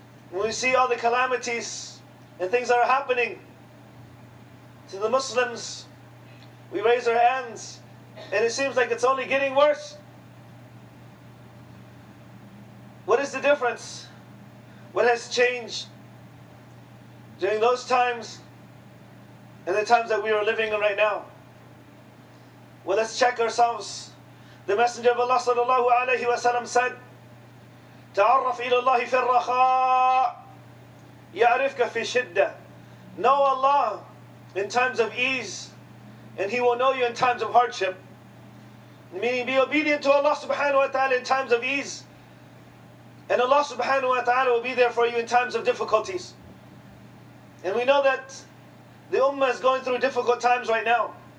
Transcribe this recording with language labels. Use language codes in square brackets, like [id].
[en] When we see all the calamities and things that are happening to the Muslims, we raise our hands and it seems like it's only getting worse. What is the difference? What has changed during those times and the times that we are living in right now? Well, let's check ourselves. The Messenger of Allah sallallahu alayhi wa sallam said, [ar] تعرف إلى الله في الرخاء يعرفك في الشدة. [en] Know Allah in times of ease, and He will know you in times of hardship. Meaning, be obedient to Allah subhanahu wa ta'ala in times of ease, and Allah subhanahu wa ta'ala will be there for you in times of difficulties. And we know that the Ummah is going through difficult times right now.